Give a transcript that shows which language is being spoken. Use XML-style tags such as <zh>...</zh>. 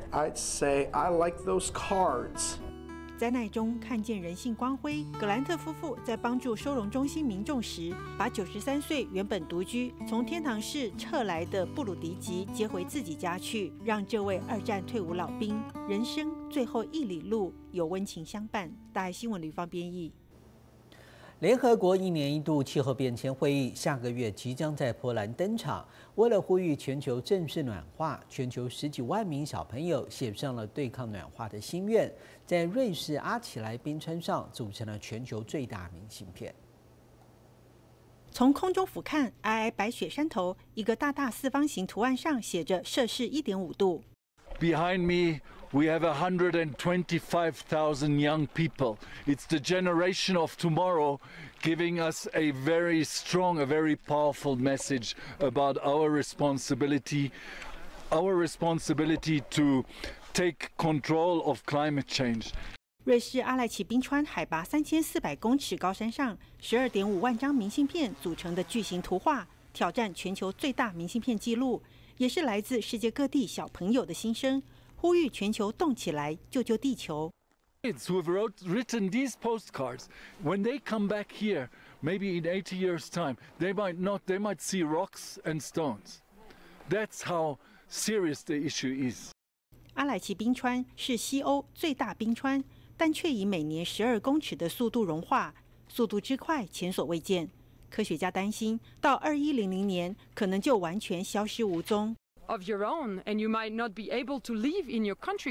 <en>I'd say I like those cards.</en> <zh>灾难中看见人性光辉，格兰特夫妇在帮助收容中心民众时，把93岁原本独居从天堂市撤来的布鲁迪吉接回自己家去，让这位二战退伍老兵人生最后一里路有温情相伴。大爱新闻吕芳编译。联合国一年一度气候变迁会议下个月即将在波兰登场，为了呼吁全球正视暖化，全球十几万名小朋友写上了对抗暖化的心愿，在瑞士阿奇莱冰川上组成了全球最大明信片。从空中俯瞰皑皑白雪山头，一个大大四方形图案上写着摄氏1.5度。</zh> <en>Behind me we have 125,000 young people. It's the generation of tomorrow giving us a very strong, a very powerful message about our responsibility to take control of climate change.</en> <zh>瑞士阿莱奇冰川海拔3400公尺高山上，12.5万张明信片组成的巨型图画，挑战全球最大明信片纪录，也是来自世界各地小朋友的心声。呼吁全球动起来，救救地球。</zh> <en>Kids who have written these postcards, when they come back here, maybe in 80 years' time, they might see rocks and stones. That's how serious the issue is.</en> <zh>阿莱奇冰川是西欧最大冰川，但却以每年12公尺的速度融化，速度之快前所未见。科学家担心，到2100年可能就完全消失无踪。</zh> <en>Of your own, and you might not be able to live in your country.</en>